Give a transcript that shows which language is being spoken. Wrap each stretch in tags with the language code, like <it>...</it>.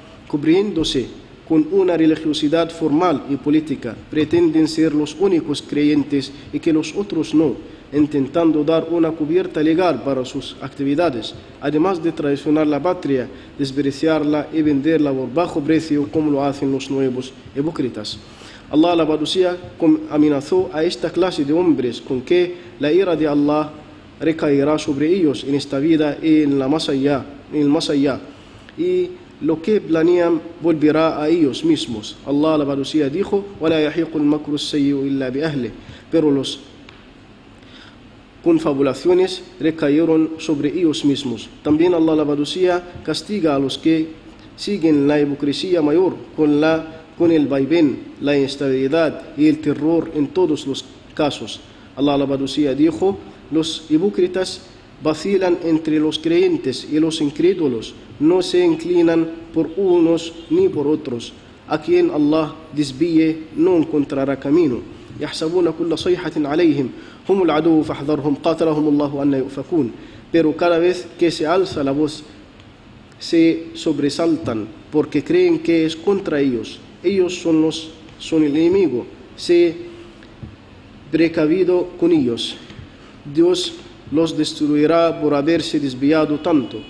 <es>cubriéndose con una religiosidad formal y política, pretenden ser los únicos creyentes y que los otros no, intentando dar una cubierta legal para sus actividades, además de traicionar la patria, desperdiciarla y venderla por bajo precio, como lo hacen los nuevos hipócritas. Allah la Badusía amenazó a esta clase de hombres con que la ira de Allah recaerá sobre ellos en esta vida y en la más allá, en el más allá, y lo que planean volverá a ellos mismos. Allah la Badusía dijo,</es> <ar>وَلَا يَحِيقُ الْمَكْرُ السَّيِّئُ إِلَّا بِأَهْلِ.</ar> <es>Pero los confabulaciones recayeron sobre ellos mismos. También Allah la Badusía castiga a los que siguen la hipocresía mayor con el vaivén, la inestabilidad y el terror en todos los casos. Allah la Badusía dijo, los hipócritas vacilan entre los creyentes y los incrédulos, no se inclinan por unos ni por otros. A quien Allah desvíe no encontrará camino.</es> <ar>يحسبون كل صيحة عليهم هم العدو فاحذرهم قاتلهم الله أن يؤفكون.</ar> <es>Pero cada vez que se alza la voz se sobresaltan porque creen que es contra ellos. Ellos son el enemigo. Sé precavido con ellos. Dios los destruirá por haberse desviado tanto.</es>